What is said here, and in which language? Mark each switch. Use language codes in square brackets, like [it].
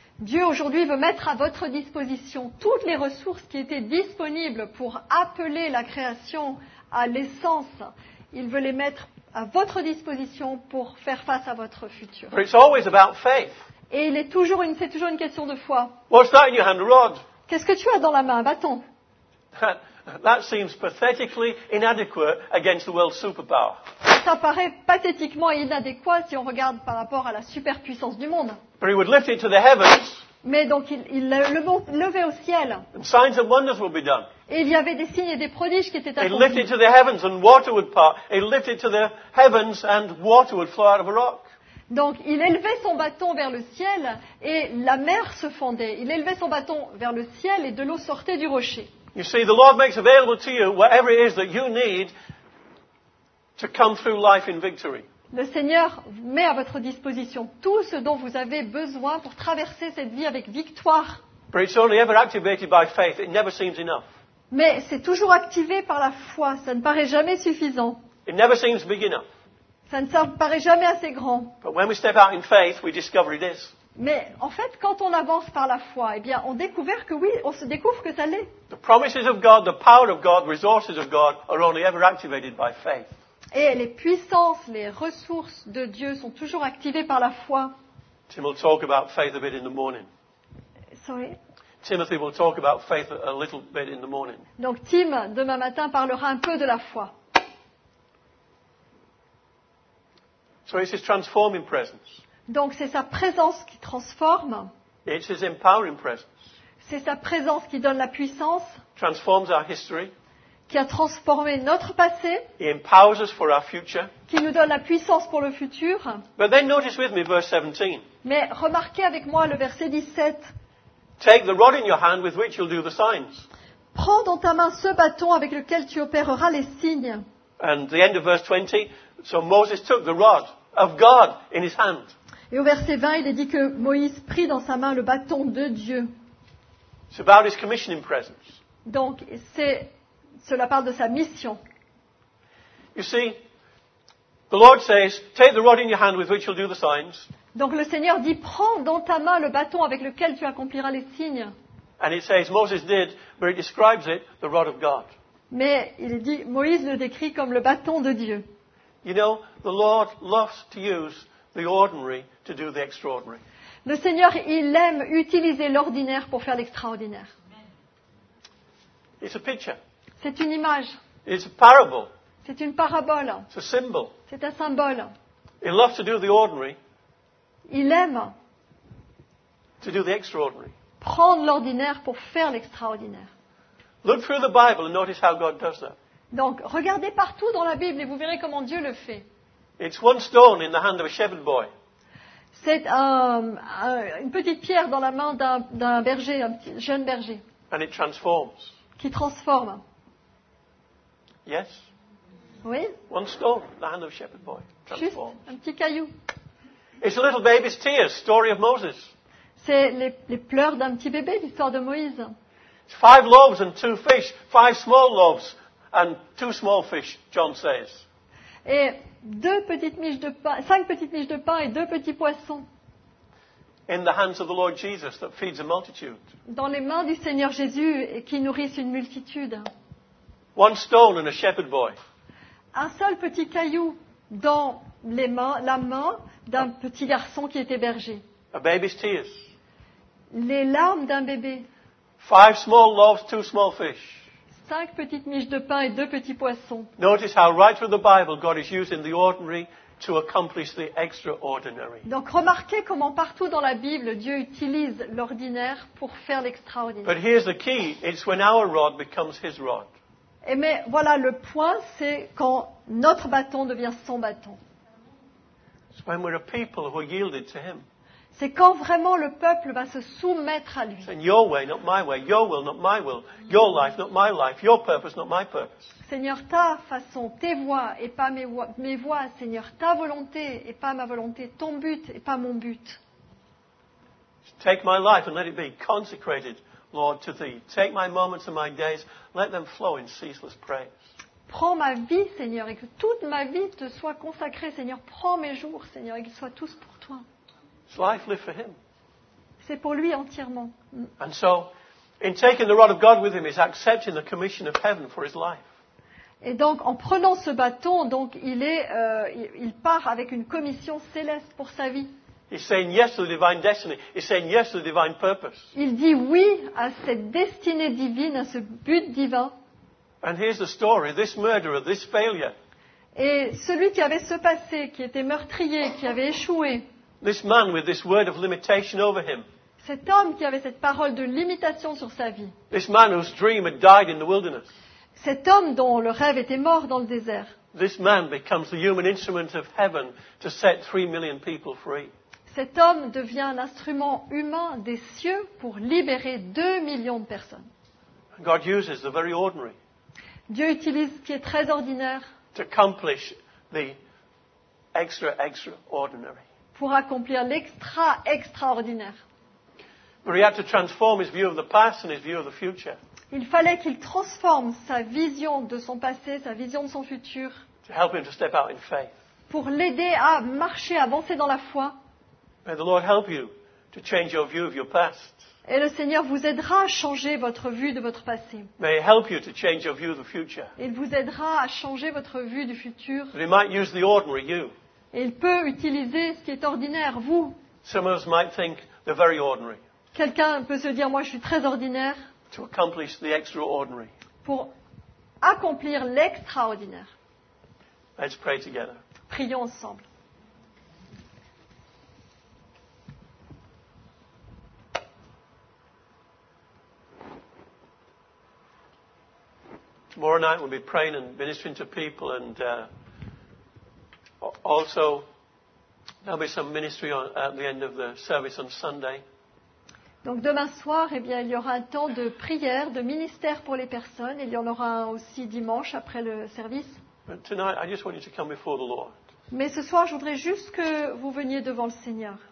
[fr] Dieu aujourd'hui veut mettre à votre disposition toutes les ressources qui étaient disponibles pour appeler la création à l'essence. Il veut les mettre à votre disposition pour faire face à votre futur. [en] But it's always about faith. [fr] Et il est toujours une, c'est toujours une question de foi. [en] What's that in your hand, rod? [fr] Qu'est-ce que tu as dans la main, bâton? [en] That seems pathetically inadequate against the world's superpower. [fr] Ça paraît pathétiquement inadéquat si on regarde par rapport à la superpuissance du monde. [en] But he would lift it to the heavens. [fr] Mais donc il le levait au ciel. [en] And signs and wonders would be done. [fr] Et il y avait des signes et des prodiges qui étaient accomplis. [en] He'd lift it to the heavens and water would part. He'd lift it to the heavens and water would flow out of a rock. [fr] Donc, il élevait son bâton vers le ciel et la mer se fendait. Il élevait son bâton vers le ciel et de l'eau sortait du rocher. [en] You see, the Lord makes available to you whatever it is that you need to come through life in victory. [fr] Le Seigneur met à votre disposition tout ce dont vous avez besoin pour traverser cette vie avec victoire. [en] But it's only ever activated by faith. It never seems enough. [fr] Mais c'est toujours activé par la foi. Ça ne paraît jamais suffisant. [en] It never seems big enough. [fr] Ça ne paraît jamais assez grand. [en] But when we step out in faith, we discover it is. [fr] Mais en fait, quand on avance par la foi, eh bien, on découvre que oui, on se découvre que ça l'est. [en] The promises of God, the power of God, resources of God are only ever activated by faith. [fr] Et les puissances, les ressources de Dieu sont toujours activées par la foi. [en] Tim will talk about faith a bit in the morning. Sorry. Timothy will talk about faith a little bit in the morning. [fr] Donc Tim, demain matin, parlera un peu de la foi. [en] So it's his transforming presence. [fr] Donc c'est sa présence qui transforme. [en] It's his empowering presence. [fr] C'est sa présence qui donne la puissance. [en] Transforms our history. [fr] Qui a transformé notre passé. [en] He empowers us for our future. [fr] Qui nous donne la puissance pour le futur. [en] But then notice with me verse 17. [fr] Mais remarquez avec moi le verset 17. [en] Take the rod in your hand with which you'll do the signs. [fr] Prends dans ta main ce bâton avec lequel tu opéreras les signes. [en] And the end of verse 20. So Moses took the rod of God in his hand. [fr] Et au verset 20, il est dit que Moïse prit dans sa main le bâton de Dieu. [en] It's about his commissioning presence. [fr] Donc, cela parle de sa mission. [en] You see, the Lord says, take the rod in your hand with which you'll do the signs. [fr] Donc le Seigneur dit, prends dans ta main le bâton avec lequel tu accompliras les signes. [en] And it says Moses did, but it describes it, the rod of God. [fr] Mais il dit, Moïse le décrit comme le bâton de Dieu. [en] You know, the Lord loves to use the ordinary to do the extraordinary. [fr] Le Seigneur, il aime utiliser l'ordinaire pour faire l'extraordinaire. [en] It's a picture. [fr] C'est une image. [en] It's a parable. [fr] C'est une parabole. [en] It's a symbol. [fr] C'est un symbole. [en] He loves to do the ordinary. [fr] Il aime [en] to do the extraordinary. [fr] Prendre l'ordinaire pour faire l'extraordinaire. [en] Look through the Bible and notice how God does that. [fr] Donc, regardez partout dans la Bible et vous verrez comment Dieu le fait. [en] It's one stone in the hand of a shepherd boy. [fr] C'est une petite pierre dans la main d'un berger, un petit, jeune berger. [en] And it transforms. [fr] Qui transforme. [en] Yes. [fr] Oui. [en] One stone in the hand of a shepherd boy. Transforms. [fr] Juste un petit caillou. [en] It's a little baby's tears, story of Moses. [fr] C'est les pleurs d'un petit bébé, l'histoire de Moïse. [en] It's five loaves and two fish, five small loaves. And two small fish, John says. [fr] Et deux petites miches de pain, cinq petites miches de pain et deux petits poissons. [en] In the hands of the Lord Jesus that feeds a multitude. [fr] Dans les mains du Seigneur Jésus qui nourrissent une multitude. [en] One stone and a shepherd boy. [fr] Un seul petit caillou dans les mains, la main d'un petit garçon qui était berger. [en] A baby's tears. [fr] Les larmes d'un bébé. [en] Five small loaves, two small fish. [fr] Cinq petites miches de pain et deux petits poissons. [en] Notice how right through the Bible God is using the ordinary to accomplish the extraordinary. [fr] Donc remarquez comment partout dans la Bible Dieu utilise l'ordinaire pour faire l'extraordinaire. [en] But here's the key, it's when our rod becomes his rod. [fr] Et mais voilà le point, c'est quand notre bâton devient son bâton. [en] It's when we're a people who are yielded to him. [fr] C'est quand vraiment le peuple va se soumettre à lui. [en] Your way, not my way. Your will, not my will. Your life, not my life. Your purpose, not my purpose. [fr] Seigneur, ta façon, tes voies et pas mes voies. Seigneur, ta volonté et pas ma volonté. Ton but et pas mon but. [en] Take my life and let it be consecrated Lord, to thee. Take my moments and my days. Let them flow in ceaseless praise. [fr] Prends ma vie, Seigneur, et que toute ma vie te soit consacrée, Seigneur. Prends mes jours, Seigneur, et qu'ils soient tous pour toi. [en] It's life lived for him. [fr] C'est pour lui entièrement. [en] And so, in taking the rod of God with him, he's accepting the commission of heaven for his life. [fr] Et donc, en prenant ce bâton, donc, il part avec une commission céleste pour sa vie. [en] He's saying yes to the divine destiny. He's saying yes to the divine purpose. [fr] Il dit oui à cette destinée divine, à ce but divin. [en] And here's the story, this murderer, this failure. [fr] Et celui qui avait ce passé, qui était meurtrier, qui avait échoué. [en] This man with this word of limitation over him. [fr] Cet homme qui avait cette parole de limitation sur sa vie. [en] This man whose dream had died in the wilderness. [fr] Cet homme dont le rêve était mort dans le désert. [en] This man becomes the human instrument of heaven to set 3 million people free. [fr] Cet homme devient l'instrument humain des cieux pour libérer 2 millions de personnes. [en] God uses the very ordinary. [fr] Dieu utilise ce qui est très ordinaire. [en] To accomplish the extra extraordinary. [fr] Pour accomplir l'extra extraordinaire. [en] But he had to transform his view of the past and his view of the future. [fr] Il fallait qu'il transforme sa vision de son passé, sa vision de son futur. [en] To help him to step out in faith. [fr] Pour l'aider à marcher, avancer dans la foi. [en] May the Lord help you to change your view of your past. [fr] Et le Seigneur vous aidera à changer votre vue de votre passé. [en] May he help you to change your view of the future. [fr] Il vous aidera à changer votre vue du futur. [en] But he might use the ordinary you. [fr] Et il peut utiliser ce qui est ordinaire, vous. [en] Some of us might think they're very ordinary. [fr] Quelqu'un peut se dire, moi je suis très ordinaire. [en] To accomplish the extraordinary. [fr] Pour accomplir l'extraordinaire. [en] Let's pray together. [fr] Prions ensemble. [en] Tomorrow night we'll be praying and ministering to people, and also there'll be some ministry on, at the end of the service on Sunday. [fr] Donc demain soir, eh bien, il y aura un temps de prière, de ministère pour les personnes. Il y en aura aussi dimanche après le service. [en] But tonight, I just want you to come before the Lord. [fr] Mais ce soir, je voudrais juste que vous veniez devant le Seigneur.